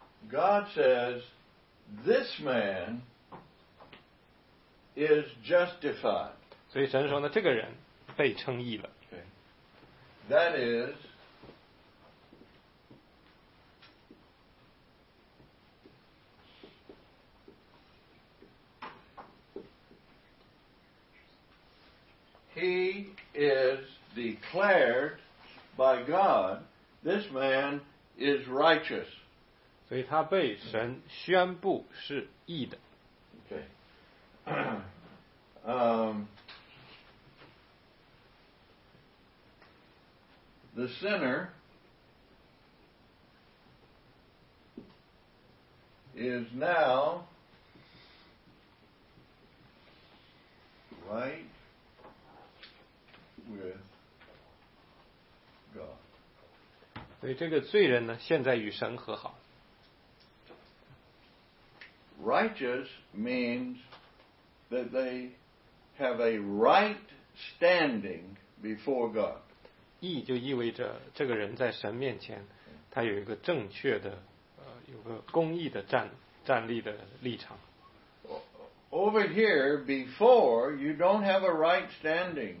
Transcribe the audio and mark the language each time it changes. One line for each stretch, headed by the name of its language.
English: God says, this man is justified.
Chinese: 所以神说呢，这个人被称义了。
English: Okay. That is, he is declared by God, this man is righteous.
Chinese: 所以他被神宣布是义的。
English: Okay. The sinner is now right with God.
Chinese: 所以这个罪人呢，现在与神和好。
English: Righteous means that they have a right standing before God.
Chinese: 义就意味着这个人在神面前，他有一个正确的，有个公义的站立的立场。
English: Over here, before, you don't have a right standing.